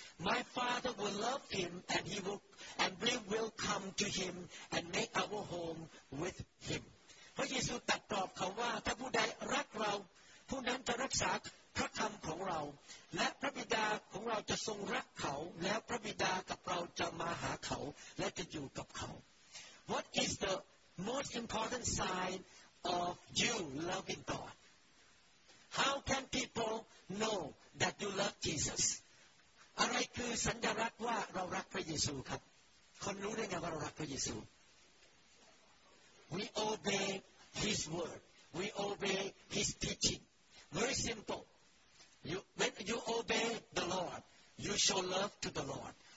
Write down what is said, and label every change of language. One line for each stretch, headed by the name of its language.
English: My Father will love him, and we will come to him and make our home with him.
Thai: พระเยซูตรัสตอบเขาว่าถ้าผู้ใดรักเราผู้นั้นจะรักษาพระคำของเราและพระบิดาของเราจะทรงรักเขาแล้วพระบิดากับเราจะมาหาเขาและจะอยู่กับเขา
English: What is the most important signOf you loving God. How can people know that you love Jesus?
Thai: อะไรคือสัญลักษณ์ว่าเรารักพระเยซูครับ คนรู้ได้ไงว่าเรารักพระเยซู
English: We obey His word. We obey His teaching. Very simple. When you obey the Lord, you show love to the Lord.